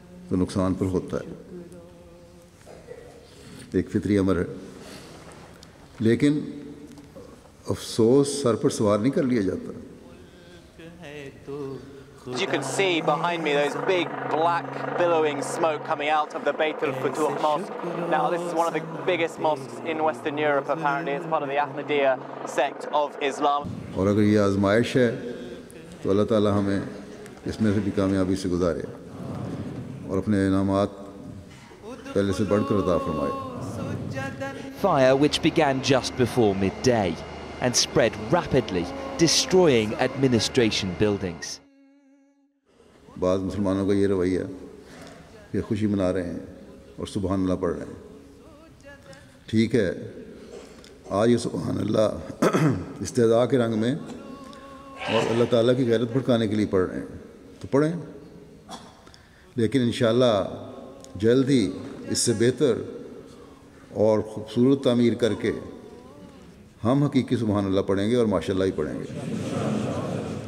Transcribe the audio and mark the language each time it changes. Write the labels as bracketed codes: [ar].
[ur] تو نقصان پر ہوتا ہے ایک فطری امر ہے لیکن افسوس سر پر سوار نہیں کر لیا جاتا [en] As you can see behind me, those big black billowing smoke coming out of the Baitul Futuh Mosque. Now, this is one of the biggest mosques in Western Europe, apparently. It's part of the Ahmadiyya sect of Islam. [ur] اور اگر یہ آزمائش ہے تو اللہ تعالیٰ ہمیں اس میں سے بھی کامیابی سے گزارے اور اپنے انعامات پہلے سے بڑھ کر عطا فرمائے. [en] Fire, which began just before midday and spread rapidly, destroying administration buildings. [ur] بعض مسلمانوں کا یہ رویہ کہ خوشی منا رہے ہیں اور سبحان اللہ پڑھ رہے ہیں. ٹھیک ہے, آج یہ سبحان اللہ استہزاء کے رنگ میں اور اللہ تعالیٰ کی غیرت بھڑکانے کے لیے پڑھ رہے ہیں تو پڑھیں, لیکن انشاءاللہ جلد ہی اس سے بہتر اور خوبصورت تعمیر کر کے ہم حقیقی سبحان اللہ پڑھیں گے اور ماشاءاللہ ہی پڑھیں گے.